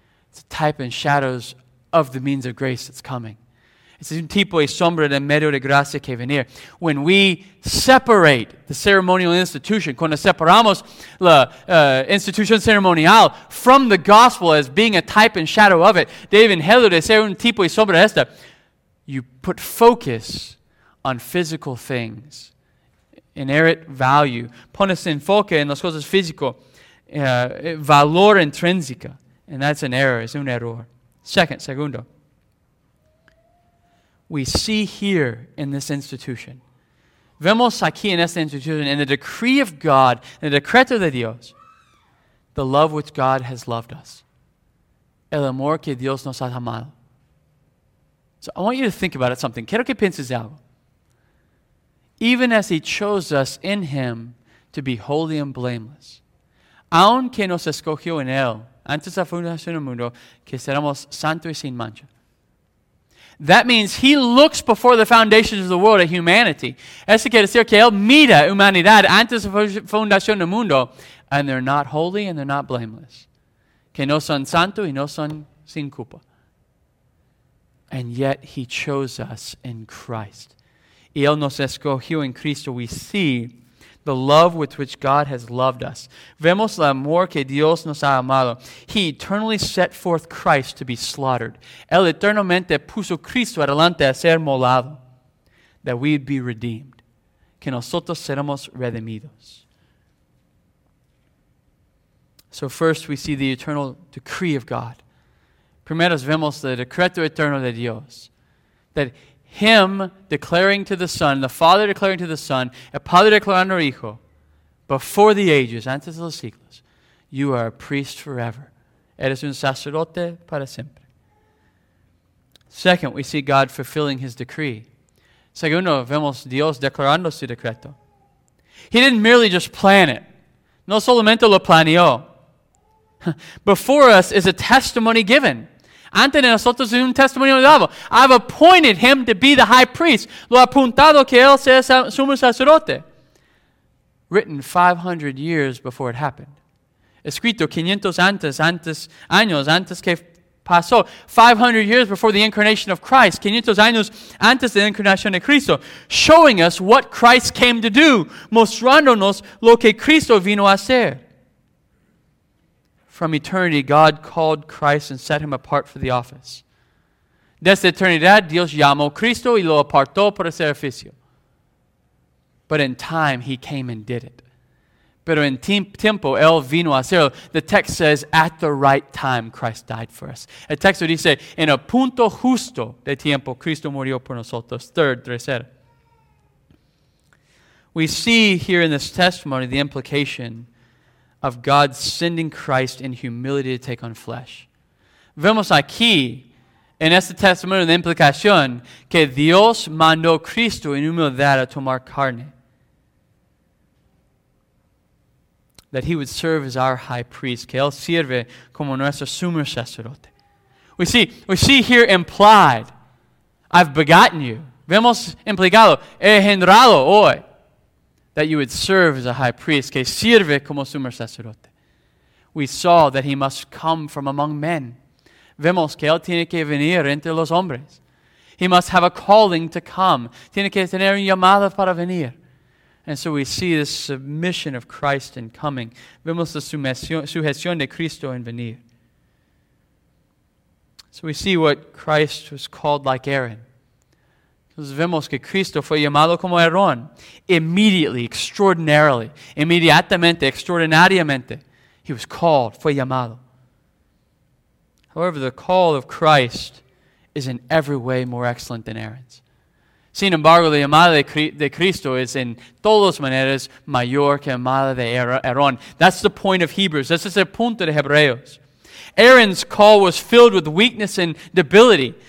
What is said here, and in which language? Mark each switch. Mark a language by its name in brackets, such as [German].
[English] It's a type and shadows of the means of grace that's coming. [Spanish] It's un tipo y sombra de medio de gracia que venir. [English] When we separate the ceremonial institution, [Spanish] cuando separamos la institución ceremonial [English] from the gospel as being a type and shadow of it, [Spanish] de evangelio de ser un tipo y sombra de esta, [English] you put focus on physical things. Inherent value. [Spanish] Pones enfoque en las cosas físicas. Valor intrínseca. [English] And that's an error. [Spanish] Es un error. Segundo. [English] We see here in this institution. [Spanish] Vemos aquí en esta institución. [English] In the decree of God. In the [Spanish] decreto de Dios. [English] The love which God has loved us. [Spanish] El amor que Dios nos ha amado. [English] So I want you to think about it something. [Spanish] Quiero que pienses algo. [English] Even as he chose us in him to be holy and blameless. [Spanish] Aunque nos escogió en él, antes de fundación del mundo, que seramos santos y sin mancha. [English] That means he looks before the foundations of the world at humanity. [Spanish] Eso quiere decir que él mira humanidad antes de fundación del mundo, [English] and they're not holy and they're not blameless. [Spanish] Que no son santos y no son sin culpa. [English] And yet he chose us in Christ. [Spanish] Y él nos escogió en Cristo. [English] We see the love with which God has loved us. [Spanish] Vemos el amor que Dios nos ha amado. [English] He eternally set forth Christ to be slaughtered. [Spanish] Él eternamente puso Cristo adelante a ser molado. [English] That we'd be redeemed. [Spanish] Que nosotros seremos redimidos. [English] So first we see the eternal decree of God. [Spanish] Primero vemos el decreto eterno de Dios. [English] That him declaring to the Son, the Father declaring to the Son, [Spanish] el Padre declarando al Hijo, [English] before the ages, [Spanish] antes de los siglos, [English] you are a priest forever. [Spanish] Eres un sacerdote para siempre. [English] Second, we see God fulfilling his decree. [Spanish] Segundo, vemos Dios declarando su decreto. [English] He didn't merely just plan it. [Spanish] No solamente lo planeó. [English] Before us is a testimony given. [Spanish] Antes de nosotros un testimonio dado. [English] I've appointed him to be the high priest. [Spanish] Lo ha apuntado que él sea sumo sacerdote. [English] Written 500 years before it happened. [Spanish] Escrito 500 años antes que pasó. [English] 500 years before the incarnation of Christ. [Spanish] 500 años antes de la incarnación de Cristo. [English] Showing us what Christ came to do. [Spanish] Mostrándonos lo que Cristo vino a hacer. [English] From eternity, God called Christ and set him apart for the office. [Spanish] Desde eternidad, Dios llamó Cristo y lo apartó por el servicio. [English] But in time, he came and did it. [Spanish] Pero en tiempo, él vino a hacerlo. [English] The text says, at the right time, Christ died for us. [Spanish] El texto dice, en el punto justo de tiempo, Cristo murió por nosotros. [English] Third, [Spanish] tercero. [English] we see here in this testimony the implication of God sending Christ in humility to take on flesh. [Spanish] Vemos aquí, en este testimonio de implicación, que Dios mandó Cristo en humildad a tomar carne. [English] That he would serve as our high priest. [Spanish] Que él sirve como nuestro sumo sacerdote. [English] We see here implied, I've begotten you. [Spanish] Vemos implicado, he engendrado hoy. [English] That you would serve as a high priest. [Spanish] Que sirve como sumo sacerdote. [English] We saw that he must come from among men. [Spanish] Vemos que él tiene que venir entre los hombres. [English] He must have a calling to come. [Spanish] Tiene que tener un llamado para venir. [English] And so we see the submission of Christ in coming. [Spanish] Vemos la sujeción de Cristo en venir. [English] So we see what Christ was called like Aaron. [Spanish] Entonces vemos que Cristo fue llamado como Aarón. [English] Immediately, extraordinarily. [Spanish] Inmediatamente, extraordinariamente. [English] He was called, [Spanish] fue llamado. [English] However, the call of Christ is in every way more excellent than Aaron's. [Spanish] Sin embargo, la llamada de Cristo es en todas maneras mayor que la llamada de Aarón. [English] That's the point of Hebrews. This is the [Spanish] punto de Hebreos. [English] Aaron's call was filled with weakness and debility.